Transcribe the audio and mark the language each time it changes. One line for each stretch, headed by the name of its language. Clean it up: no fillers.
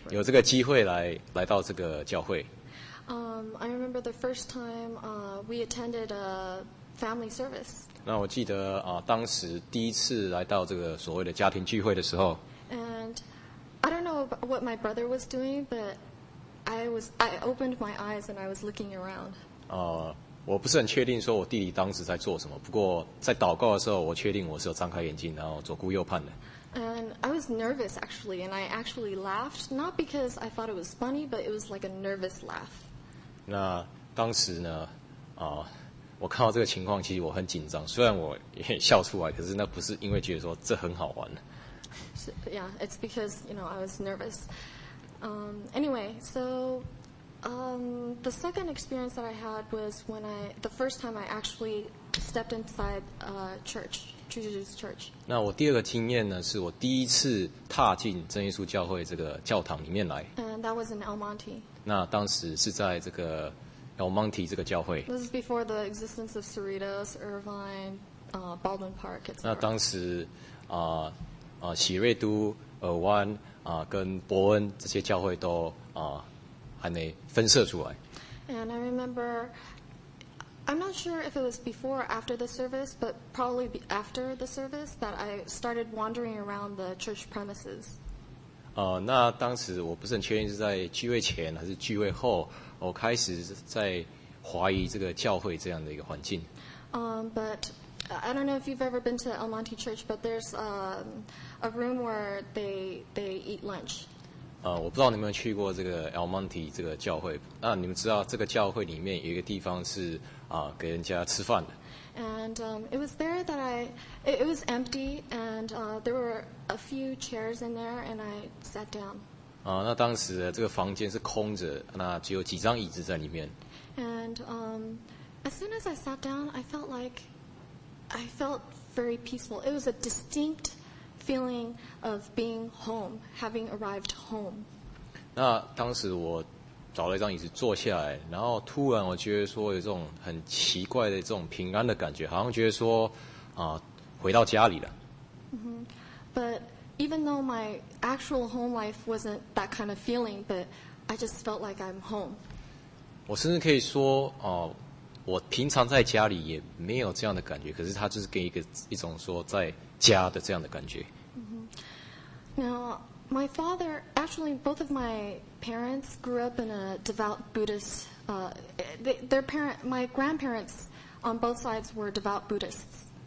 Chinese: 有这个机会来到这个教会。
English: I remember the first time we attended a family service.
Chinese: 那我记得当时第一次来到这个所谓的家庭聚会的时候。
English: And I don't know what my brother was doing, but I opened my eyes and I was looking around.
Chinese: 我不是很确定说我弟弟当时在做什么，不过在祷告的时候我确定我是有张开眼睛然后左顾右盼的。
English: And I was nervous actually, and I actually laughed, not because I thought it was funny, but it was like a nervous laugh.
Chinese: 那当时呢我看到这个情况其实我很紧张，虽然我也笑出来，可是那不是因为觉得说这很好玩。
English: So, yeah, it's because, you know, I was nervous. Anyway, soThe second experience that I had was when the first time I actually stepped inside a church, Jesus Church.
Chinese: 那我第二个经验呢，是我第一次踏进真耶稣教会这个教堂里面来。
English: And that was in El Monte.
Chinese: 那当时是在这个 El Monte 这个教会。
English: This is before the existence of Cerritos, Irvine, Baldwin Park, etc.
Chinese: 那当时喜瑞都、尔湾跟伯恩这些教会都还没分设出来。
English: And I remember, I'm not sure if it was before or after the service, but probably after the service that I started wandering around the church premises.
Chinese: 那当时我不是很确定是在聚会前还是聚会后，我开始在怀疑这个教会这样的一个环境。
English: But I don't know if you've ever been to El Monte Church, but there's a room where they eat lunch.
Chinese: 我不知道你们有没有去过这个 El Monte 这个教会。那你们知道这个教会里面有一个地方是给人家吃饭的。
English: And it was there that it was empty, and there were a few chairs in there, and I sat down.
Chinese: 那当时这个房间是空着，那只有几张椅子在里面。
English: And as soon as I sat down, I felt very peaceful. It was a distinct feeling of being home, having arrived home.
Chinese: 那当时我找了一张椅子坐下来，然后突然我觉得说有这种很奇怪的这种平安的感觉，好像觉得说回到家里了。 Mm-hmm.
English: But even though my actual home life wasn't that kind of feeling, but I just felt like I'm home.
Chinese: 我甚至可以说我平常在家里也没有这样的感觉，可是它就是给一种说在家的这样的感觉。
English: Mm-hmm. Now, my father, actually both of my parents grew up in a devout Buddhist, my grandparents on both sides were devout Buddhists.